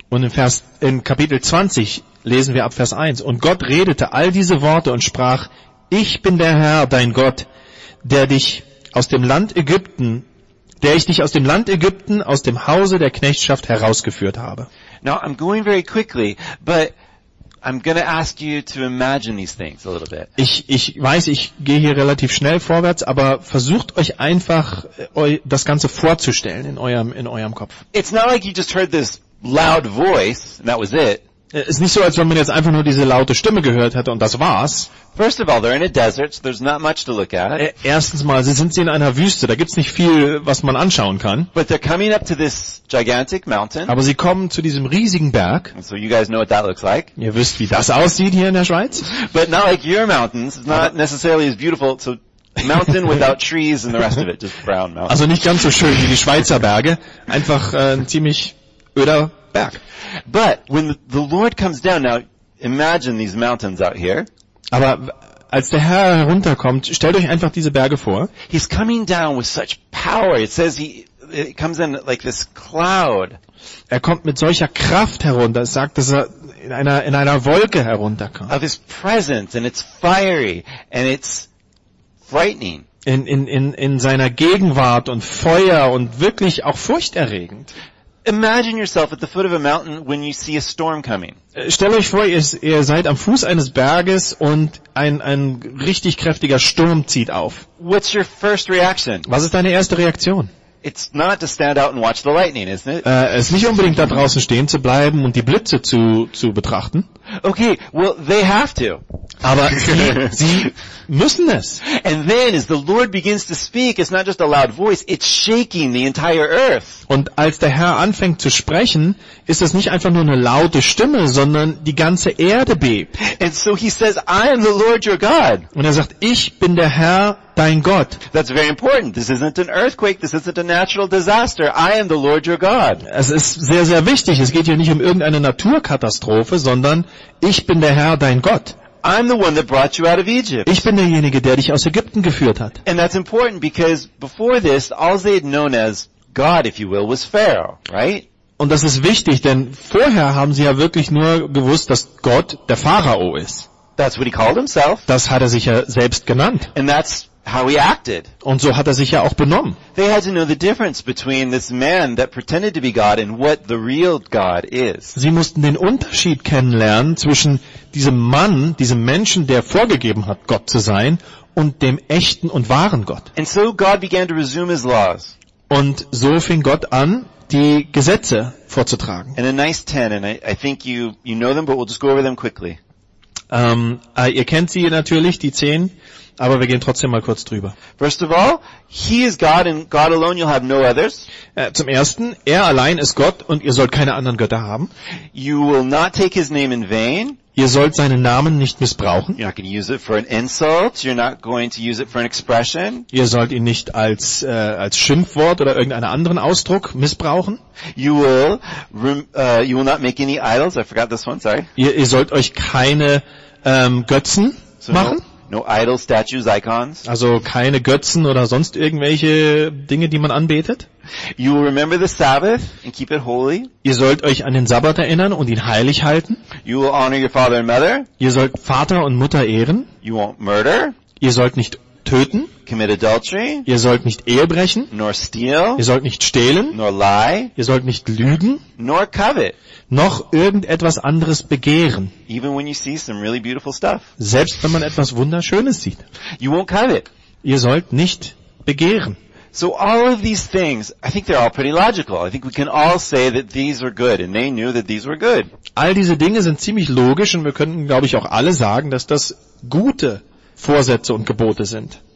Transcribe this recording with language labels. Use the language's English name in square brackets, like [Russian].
[German] Und in Kapitel 20 lesen wir ab Vers 1. Und Gott redete all diese Worte und sprach, ich bin der Herr, dein Gott, der ich dich aus dem Land Ägypten, aus dem Hause der Knechtschaft herausgeführt habe. [English] Now I'm going very quickly, but I'm going to ask you to imagine these things a little bit. [German] Ich weiß, ich gehe hier relativ schnell vorwärts, aber versucht euch einfach das Ganze vorzustellen in eurem Kopf. [English] It's not like you just heard this loud voice and that was it. [German] Es ist nicht so, als wenn man jetzt einfach nur diese laute Stimme gehört hätte und das war's. [English] First of all, they're in a desert, so there's not much to look at. [German] Erstens mal, sind sie in einer Wüste, da gibt's nicht viel, was man anschauen kann. [English] But they're coming up to this gigantic mountain. [German] Aber sie kommen zu diesem riesigen Berg. [English] And so you guys know what that looks like. [German] Ihr wisst, wie das aussieht hier in der Schweiz. [English] But not like your mountains, it's not necessarily as beautiful. So mountain without trees and the rest of it, just brown mountain. [German] Also nicht ganz so schön wie die Schweizer Berge, einfach ein ziemlich öder Berg. [English] But when the Lord comes down, now imagine these mountains out here. [German] Aber als der Herr herunterkommt, stellt euch einfach diese Berge vor. [English] He's coming down with such power. It says it comes in like this cloud. [German] Er kommt mit solcher Kraft herunter. Es sagt, dass er in einer Wolke herunterkommt. [English] Of his presence, and it's fiery and it's frightening. [German] In seiner Gegenwart und Feuer und wirklich auch furchterregend. [English] Imagine yourself at the foot of a mountain when you see a storm coming. [German] Stell euch vor, ihr seid am Fuß eines Berges und ein richtig kräftiger Sturm zieht auf. [English] What's your first reaction? [German] Was ist deine erste Reaktion? [English] It's not to stand out and watch the lightning, isn't it? [German] Es ist nicht unbedingt da draußen stehen zu bleiben und die Blitze zu betrachten. [English] Okay, well they have to. [German] Aber sie müssen es. [English] And then as the Lord begins to speak, it's not just a loud voice, it's shaking the entire earth. [German] Und als der Herr anfängt zu sprechen, ist es nicht einfach nur eine laute Stimme, sondern die ganze Erde bebt. [English] And so he says, I am the Lord your God. [German] Und er sagt, ich bin der Herr, dein Gott. [English] That's very important. This isn't an earthquake, this isn't a natural disaster. I am the Lord your God. [German] Es ist sehr, sehr wichtig. Es geht hier nicht um irgendeine Naturkatastrophe, sondern ich bin der Herr, dein Gott. [English] I'm the one that brought you out of Egypt. [German] Ich bin derjenige, der dich aus Ägypten geführt hat. [English] And that's important because before this, all they had known as God, if you will, was Pharaoh, right? [German] Und das ist wichtig, denn vorher haben sie ja wirklich nur gewusst, dass Gott der Pharao ist. [English] That's what he called himself. [German] Das hat er sich ja selbst genannt. [English] And that's how he acted. [German] Und so hat er sich ja auch benommen. [English] They had to know the difference between this man that pretended to be God and what the real God is. [German] Sie mussten den Unterschied kennenlernen zwischen diesem Mann, diesem Menschen, der vorgegeben hat, Gott zu sein, und dem echten und wahren Gott. [English] And so God began to resume his laws. [German] Und so fing Gott an, die Gesetze vorzutragen. [English] And a nice 10, and I think you know them, but we'll just go over them quickly. [German] Ihr kennt sie natürlich, die 10. Aber wir gehen trotzdem mal kurz drüber. [English] First of all, he is God and God alone, you'll have no others. [German] Zum ersten, er allein ist Gott und ihr sollt keine anderen Götter haben. [English] You will not take his name in vain. [German] Ihr sollt seinen Namen nicht missbrauchen. [English] You're not going to use it for an insult. You're not going to use it for an expression. [German] Ihr sollt ihn nicht als Schimpfwort oder irgendeinen anderen Ausdruck missbrauchen. [English] You will not make any idols. I forgot this one, sorry. [German] Ihr sollt euch keine Götzen so machen. [English] No idols, statues, icons. [German] Also keine Götzen oder sonst irgendwelche Dinge, die man anbetet. [English] You will remember the Sabbath and keep it holy. [German] Ihr sollt euch an den Sabbat erinnern und ihn heilig halten. [English] You will honor your father and mother. [German] Ihr sollt Vater und Mutter ehren. [English] You won't murder. [German] Ihr sollt nicht töten. [English] Commit adultery. [German] Ihr sollt nicht Ehe brechen. [English] Nor steal. [German] Ihr sollt nicht stehlen. [English] Nor lie. [German] Ihr sollt nicht lügen. [English] Nor covet. [German] Noch irgendetwas anderes begehren. [English] Even when you see some really beautiful stuff. [German] Selbst wenn man etwas Wunderschönes sieht. [English] You won't covet. [German] Ihr sollt nicht begehren. [English] So all of these things, I think they're all pretty logical. I think we can all say that these were good and they knew that these were good. [German] All diese Dinge sind ziemlich logisch und wir könnten, glaube ich, auch alle sagen, dass das gute Vorsätze und Gebote sind.